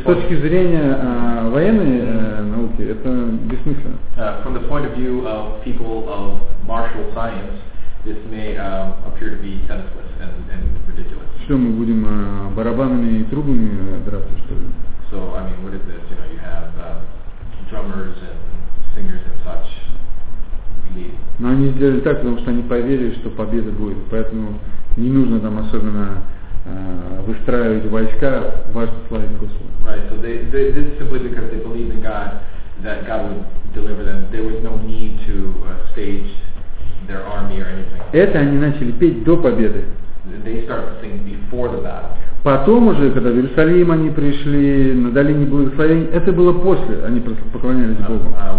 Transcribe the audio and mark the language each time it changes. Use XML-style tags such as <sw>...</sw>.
<ru>с точки зрения военной науки, это бессмысленно.</ru> <en>From the point of view of people of martial science, this may appear to be senseless and ridiculous.</en> <ru>Что мы будем барабанами и трубами драться, что ли?</ru> <en>So, I mean, what is this? You know, you have drummers and singers and such.</en> <ru>Но они сделали так, потому что они поверили, что победа будет, поэтому. Не нужно там особенно выстраивать войска, важно славить Господа.</ru> <en>Right, so they this is simply because they believed in God, that God would deliver them. There was no need to stage their army or anything.</en> <ru>Это они начали петь до победы.</ru> <en>They started to sing before the battle.</en> <ru>Потом уже, когда в Иерусалим они пришли, на долине благословения, это было после, они поклонялись Богу.</ru>